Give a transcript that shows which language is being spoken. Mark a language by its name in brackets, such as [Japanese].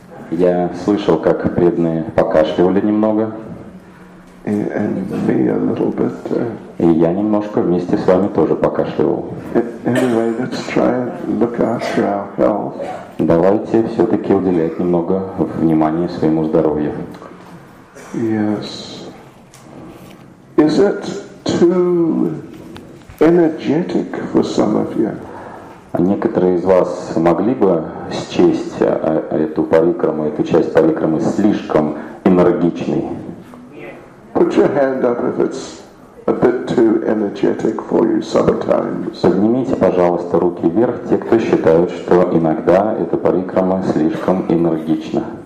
[Russian] Я слышал, как бедные покашливали немного. И я немножко вместе с вами тоже покашливал. [English] Anyway, let's try and look after our health. [Russian] Давайте все-таки уделять немного внимания своему здоровью. [English] Yes. Is it too energetic for some of you? [Russian] Некоторые из вас могли бы счесть эту парикраму, эту часть парикрамы слишком энергичной? [English] Put your hand up if it's a bit too energetic for you sometimes. [Russian] Поднимите, пожалуйста, руки вверх, те, кто считают, что иногда эта парикрама слишком энергична.